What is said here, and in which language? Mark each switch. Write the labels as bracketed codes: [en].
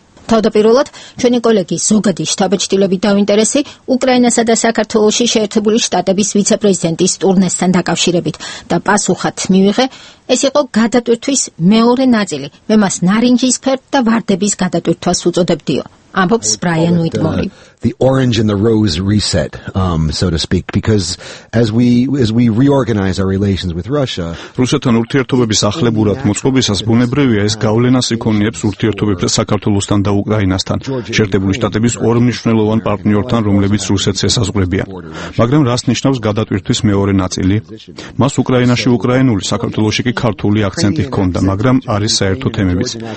[ka] თავდაპირველად ჩვენი კოლეგი ზოგადი შტაბეჭდილებით დაინტერესი უკრაინასა და საქართველოში შეერთებული შტატების ვიცე-პრეზიდენტის ტურნესთან დაკავშირებით და პასუხად მივიღე, ეს იყო გადატვირთვის მეორე ნაწილი, მე მას ნარინჯისფერ და ვარდების გადატვირთვას უწოდებდიო, ამბობს ბრაიან უიტმორი. [en] The orange and the rose reset, so to speak, because as we reorganize our relations with Russia, [ka] რუსეთთან ურთიერთობების ახლებურად მოწყობისას ბუნებრივია ეს გავლენას იქონიებს ურთიერთობებზე საქართველოსთან და უკრაინასთან, შეერთებული შტატების ორ მნიშვნელოვან პარტნიორთან, რომლებიც რუსეთს ესაზღვრებიან. მაგრამ რას ნიშნავს გადატვირთვის მეორე ნაწილი? მას უკრაინაში უკრაინული, საქართველოში კი ქართული აქცენტი ჰქონდა, მაგრამ არის საერთო თემებიც.